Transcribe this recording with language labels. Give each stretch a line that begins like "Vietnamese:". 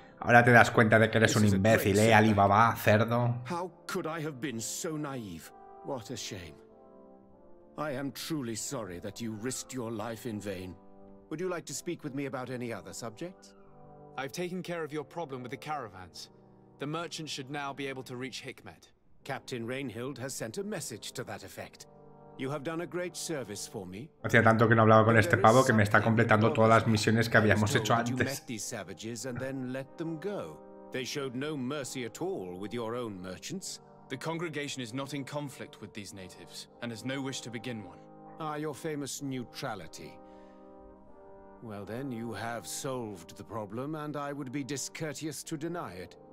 Spanish: Ahora te das cuenta de que eres un imbécil, ¿eh, Alibaba, cerdo?
English: How could I have been so naive? What a shame. I am truly sorry that you risked your life in vain. Would you like to speak with me about any other subjects? I've taken care of your problem with the caravans. The merchant should now be able to reach Hikmet. Captain Reinhild has sent a message to that effect. You have done a great service for me.
Spanish: Hacía tanto que no hablaba con este pavo que me está completando todas las misiones que habíamos hecho antes.
English: You met these savages and then let them go. They showed no mercy at all with your own merchants. The congregation is not in conflict with these natives, and has no wish to begin one. Ah, your famous neutrality. Well then, you have solved the problem, and I would be discourteous to deny it.